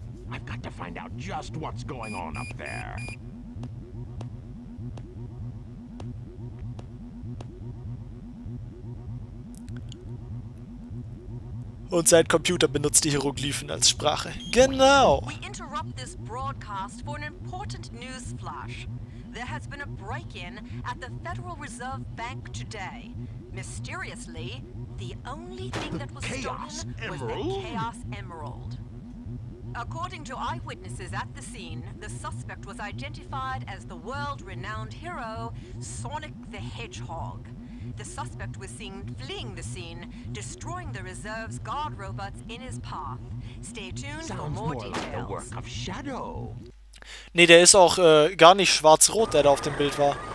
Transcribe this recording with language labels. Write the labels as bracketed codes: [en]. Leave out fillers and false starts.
[en] I've got to find out just what's going on up there. [de] Und sein Computer benutzt die Hieroglyphen als Sprache. Genau. [en] We interrupt this broadcast for an important news flash. There has been a break-in at the Federal Reserve Bank today. Mysteriously, the only thing that was stolen was the Chaos Emerald. According to eyewitnesses at the scene, the suspect was identified as the world-renowned hero Sonic the Hedgehog. The suspect was seen fleeing the scene, destroying the reserve's guard robots in his path. Stay tuned for more details. Sounds more like the work of Shadow. [de] Nee, der ist auch gar nicht schwarz-rot, der da auf dem Bild war.